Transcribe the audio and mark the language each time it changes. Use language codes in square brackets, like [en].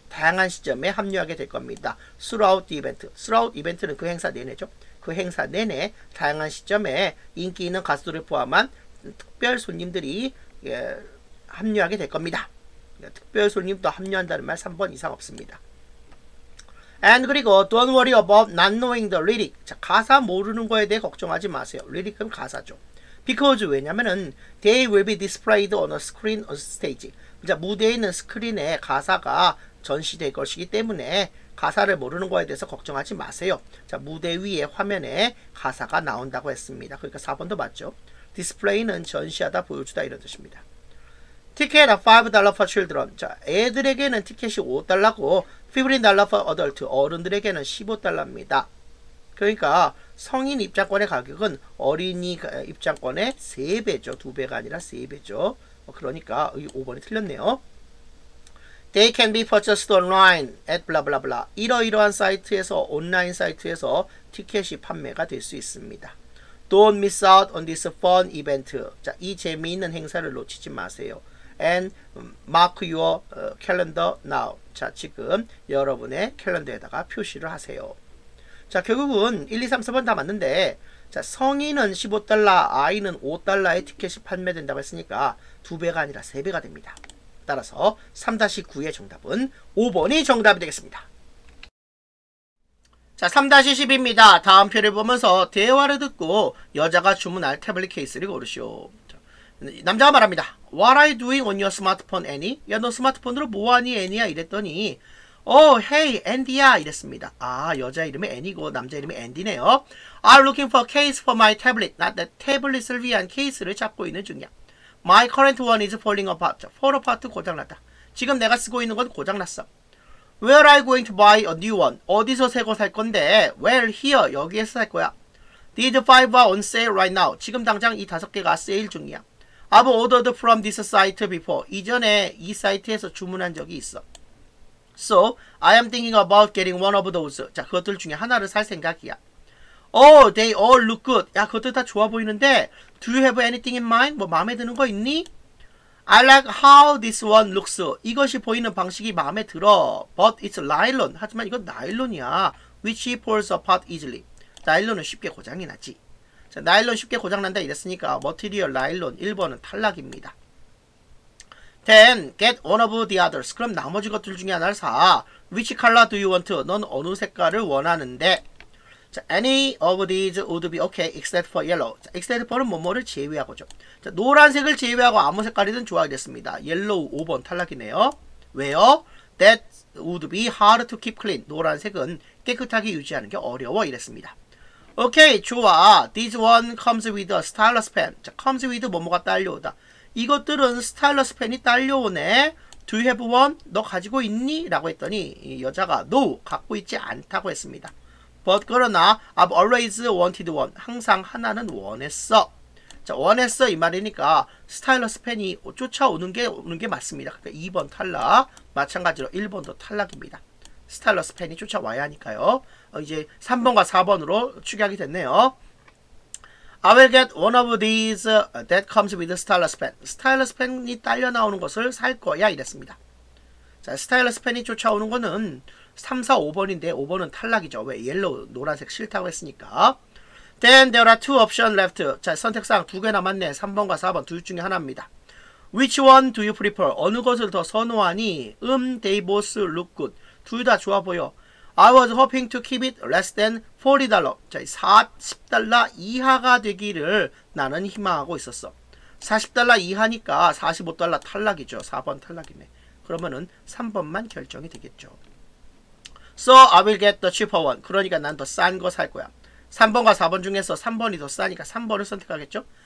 [ko] 다양한 시점에 합류하게 될 겁니다. [en] Throughout the event. Throughout event는 [ko] 그 행사 내내죠. 그 행사 내내 다양한 시점에 인기 있는 가수들을 포함한 특별 손님들이 합류하게 될 겁니다. 특별 손님도 합류한다는 말 3번 이상 없습니다. [en] And [ko] 그리고 [en] don't worry about not knowing the lyric. [ko] 자, 가사 모르는 거에 대해 걱정하지 마세요. lyric은 가사죠. [en] Because [ko] 왜냐면은 [en] they will be displayed on a screen on stage. [ko] 자, 무대에 있는 스크린에 가사가 전시될 것이기 때문에 가사를 모르는 거에 대해서 걱정하지 마세요. 자, 무대 위에 화면에 가사가 나온다고 했습니다. 그러니까 4번도 맞죠. Display는 전시하다, 보여주다 이런 뜻입니다. [en] Ticket $5 for children. [ko] 자, 애들에게는 티켓이 $5고 [en] $15 for adult, [ko] 어른들에게는 $15입니다. 그러니까 성인 입장권의 가격은 어린이 입장권의 3배죠. 2배가 아니라 3배죠. 그러니까 5번이 틀렸네요. [en] They can be purchased online at blah blah blah. [ko] 이러이러한 사이트에서 온라인 사이트에서 티켓이 판매가 될 수 있습니다. [en] Don't miss out on this fun event. [ko] 자, 이 재미있는 행사를 놓치지 마세요. [en] And mark your calendar now. [ko] 자, 지금 여러분의 캘린더에다가 표시를 하세요. 자, 결국은 1, 2, 3, 4번 다 맞는데 자, 성인은 $15, 아이는 $5에 티켓이 판매된다고 했으니까 2배가 아니라 3배가 됩니다. 따라서 3-9의 정답은 5번이 정답이 되겠습니다. 자, 3-10입니다. 다음 표를 보면서 대화를 듣고 여자가 주문할 태블릿 케이스를 고르시오. 자, 남자가 말합니다. [en] What are you doing on your smartphone, Annie? [ko] 야, 너 스마트폰으로 뭐하니, Annie야? 이랬더니 [en] Oh, hey, [ko] Andy야. 이랬습니다. 아, 여자 이름이 Annie고 남자 이름이 Andy네요. [en] I'm looking for a case for my tablet. [ko] 나 내 태블릿을 위한 케이스를 찾고 있는 중이야. [en] My current one is falling apart. Fall apart, [ko] 고장났다. 지금 내가 쓰고 있는 건 고장났어. [en] Where are you going to buy a new one? [ko] 어디서 새 거 살 건데? [en] Well, here, [ko] 여기에서 살 거야. [en] These five are on sale right now. [ko] 지금 당장 이 다섯 개가 세일 중이야. [en] I've ordered from this site before. [ko] 이전에 이 사이트에서 주문한 적이 있어. [en] So, I am thinking about getting one of those. [ko] 자, 그것들 중에 하나를 살 생각이야. [en] Oh, they all look good. [ko] 야, 그것들 다 좋아 보이는데 [en] Do you have anything in mind? [ko] 뭐 마음에 드는 거 있니? [en] I like how this one looks. [ko] 이것이 보이는 방식이 마음에 들어. [en] But it's nylon. [ko] 하지만 이건 나일론이야. [en] Which falls apart easily. [ko] 나일론은 쉽게 고장이 나지. 자, 나일론 쉽게 고장난다 이랬으니까 Material 나일론 1번은 탈락입니다. [en] Then get one of the others. [ko] 그럼 나머지 것들 중에 하나를 사. [en] Which color do you want? [ko] 넌 어느 색깔을 원하는데? [en] So, any of these would be okay except for yellow. [ko] So, except for는 뭐뭐를 제외하고죠. So, 노란색을 제외하고 아무 색깔이든 좋아 이랬습니다. 옐로우 5번 탈락이네요. 왜요? [en] That would be hard to keep clean. [ko] 노란색은 깨끗하게 유지하는 게 어려워 이랬습니다. [en] Okay, [ko] 좋아. [en] This one comes with a stylus pen. So, comes with [ko] 뭐뭐가 딸려오다. 이것들은 스타일러스 펜이 딸려오네. [en] Do you have one? [ko] 너 가지고 있니? 라고 했더니 이 여자가 No! 갖고 있지 않다고 했습니다. [en] But [ko] 그러나 [en] I've always wanted one. [ko] 항상 하나는 원했어. 자, 원했어 이 말이니까 스타일러스 팬이 쫓아오는 게 오는 게 맞습니다. 2번 탈락. 마찬가지로 1번도 탈락입니다. 스타일러스 팬이 쫓아와야 하니까요. 이제 3번과 4번으로 추격이 됐네요. [en] I will get one of these that comes with stylus pen. [ko] 스타일러스 펜이 딸려 나오는 것을 살 거야 이랬습니다. 자, 스타일러스 펜이 쫓아오는 거는 3, 4, 5번인데 5번은 탈락이죠. 왜? 옐로우, 노란색 싫다고 했으니까. [en] Then there are two options left. [ko] 자, 선택사항 두 개 남았네. 3번과 4번 둘 중에 하나입니다. [en] Which one do you prefer? [ko] 어느 것을 더 선호하니? [en] They both look good. [ko] 둘 다 좋아 보여. [en] I was hoping to keep it less than $40. [ko] 자, 40달러 이하가 되기를 나는 희망하고 있었어. 40달러 이하니까 45달러 탈락이죠. 4번 탈락이네. 그러면은 3번만 결정이 되겠죠. [en] So I will get the cheaper one. [ko] 그러니까 난 더 싼 거 살 거야. 3번과 4번 중에서 3번이 더 싸니까 3번을 선택하겠죠.